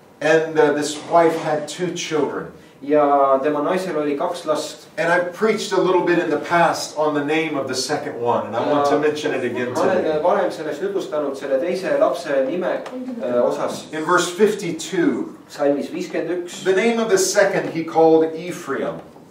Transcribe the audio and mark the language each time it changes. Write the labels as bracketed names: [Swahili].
[English] And this wife had two children. [Estonian] Ja tema naisel oli kaks last. [English] And I preached a little bit in the past on the name of the second one, and I want to mention it again today. [Estonian] Ma olen varem sellest jutustanud selle teise lapse nime osas. [English] In verse 52, [Estonian] Salmis 51, [English] the name of the second he called Ephraim.